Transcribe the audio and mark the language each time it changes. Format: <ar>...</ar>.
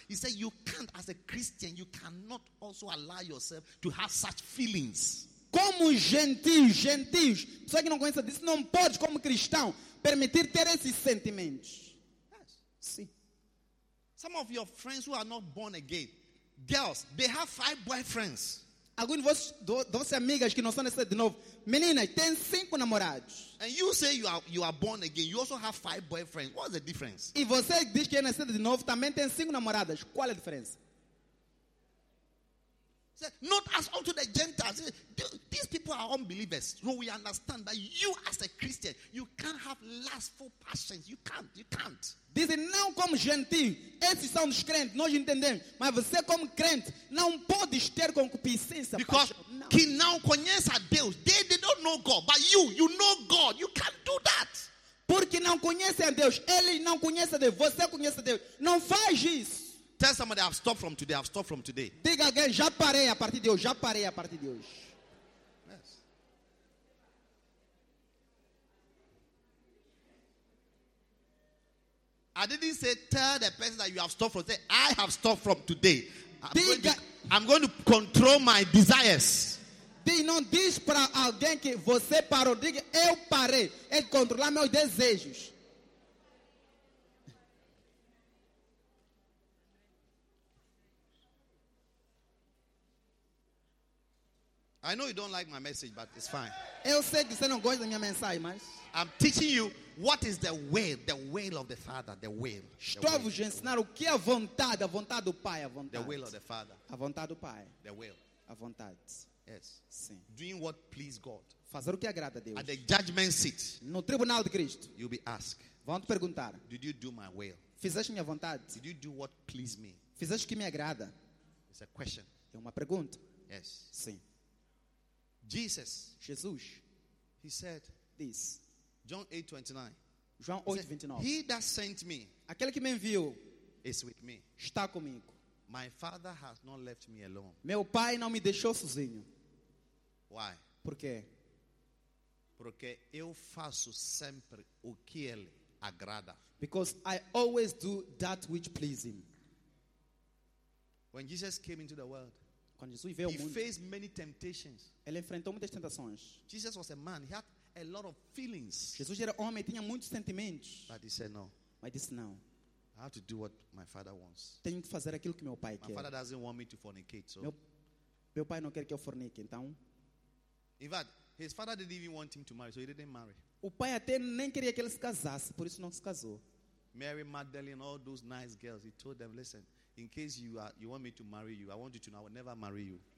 <en>He said, you can't, as a Christian, you cannot also allow yourself to have such feelings.</en> <pt>Como gentios, só que não conhece, this não pode, como cristão, permitir ter esses sentimentos.</pt> <en>Yes.</en> <pt>Sim.</pt> <en>Some of your friends who are not born again, girls, they have 5 boyfriends.</en> <pt>Alguns de vossas amigas que não são nascidas de novo, meninas, têm 5 namorados.</pt> <en>And you say you are born again, you also have 5 boyfriends. What's the difference?</en> <pt>E você diz que é nascida de novo, também tem 5 namoradas. Qual é a diferença?</pt> <en>Not as unto the Gentiles. These people are unbelievers. So we understand that you, as a Christian, you can't have lustful passions. You can't.</en> <pt>Diz, não como gentil. Esses são os crentes. Nós entendemos. Mas você, como crente, não pode ter concupiscência.</pt> <en>Because</en> <pt>quem não conhece a Deus,</pt> <en>they don't know God. But you know God. You can't do that.</en> <pt>Porque não conhece a Deus. Ele não conhece a Deus. Você conhece a Deus. Não faz isso.</pt> <en>Tell somebody, I've stopped from today.</en> <pt>Diga alguém, já parei a partir de hoje, já parei a partir de hoje.</pt> <en>Yes. I didn't say tell the person that you have stopped from. Say, I have stopped from today. I'm going to control my desires.</en> <pt>Não diz para alguém que você parou. Diga, eu parei. É controlar meus desejos.</pt> <en>I know you don't like my message, but it's fine.</en> <pt>Eu sei que você não gosta da minha mensagem, mas</pt> <en>I'm teaching you what is the will of the Father, the will.</en> <pt>Estou vos ensinar o que é a vontade do Pai, a vontade.</pt> <en>The will of the Father.</en> <pt>A vontade do Pai.</pt> <en>The will.</en> <pt>A vontade.</pt> <en>Yes.</en> <pt>Sim.</pt> <en>Doing what please God.</en> <pt>Fazer o que agrada a Deus.</pt> <en>At the judgment seat.</en> <pt>No tribunal de Cristo.</pt> <en>You'll be asked.</en> <pt>Vão te perguntar.</pt> <en>Did you do my will?</en> <pt>Fizeste minha vontade?</pt> <en>Did you do what please me?</en> <pt>Fizeste o que me agrada?</pt> <en>It's a question.</en> <pt>É uma pergunta.</pt> <en>Yes.</en> <pt>Sim.</pt> <en>Jesus, he said this, John 8:29. He that sent me,</en> <pt>aquele que me enviou,</pt> <en>is with me.</en> <pt>Está comigo.</pt> <en>My Father has not left me alone.</en> <pt>Meu Pai não me deixou sozinho.</pt> <en>Why?</en> <pt>Porque? Porque eu faço sempre o que ele agrada.</pt> <en>Because I always do that which pleases him. When Jesus came into the world,</en> <pt>quando Jesus veio ao mundo,</pt> <en>he faced many temptations.</en> <pt>Ele enfrentou muitas tentações.</pt> <en>Jesus was a man, he had a lot of feelings.</en> <pt>Jesus era homem, tinha muitos sentimentos.</pt> <en>But he said no.</en> <pt>Mas disse não.</pt> <en>I have to do what my father wants.</en> <pt>Tenho que fazer aquilo que meu pai</pt> <en>my</en> <pt>quer.</pt> <en>My father doesn't want me to fornicate, so.</en> <pt>Meu pai não quer que eu fornique, então.</pt> <en>In fact, his father didn't even want him to marry, so he didn't marry.</en> <pt>O pai até nem queria que ele se casasse, por isso não se casou.</pt> <en>Mary Magdalene, all those nice girls, he told them, listen, in case you want me to marry you, I want you to know I will never marry you.</en>